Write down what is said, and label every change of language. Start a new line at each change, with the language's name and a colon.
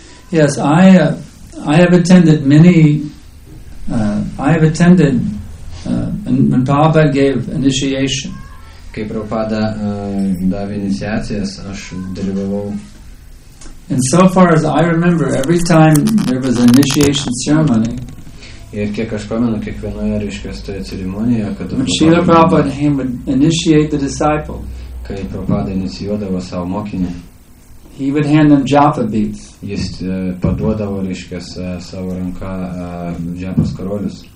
English: Yes, I have attended, and Prabhupada gave initiation.
Lithuanian: Kai Prabhupada davė iniciacijas, aš dalyvavau.
English: And so far as I remember, every time there was an initiation ceremony,
Lithuanian: ir kiek aš pamenu, kiekvienoje reiškiastoje ceremonijoje, kada
English: Srila Prabhupada would initiate the disciple,
Lithuanian: kai Prabhupada inicijuodavo savo mokinį,
English: he would hand them japa beads.
Lithuanian: Jis paduodavo, reiškias, savo ranką japos karolius.